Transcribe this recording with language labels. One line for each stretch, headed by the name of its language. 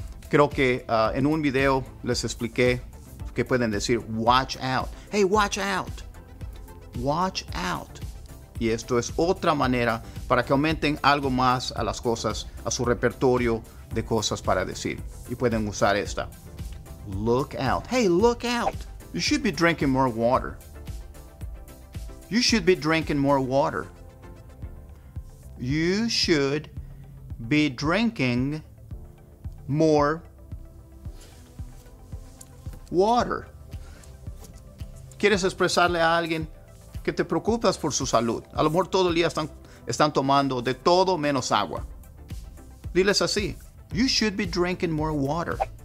Spanish: Creo que en un video les expliqué que pueden decir watch out.
English: Hey, watch out. Watch out.
Spanish: Y esto es otra manera para que aumenten algo más a las cosas, a su repertorio de cosas para decir. Y pueden usar esta.
English: Look out. Hey, look out. You should be drinking more water. You should be drinking more water. You should be drinking more water.
Spanish: ¿Quieres expresarle a alguien que te preocupas por su salud? A lo mejor todo el día están tomando de todo menos agua. Diles así.
English: You should be drinking more water.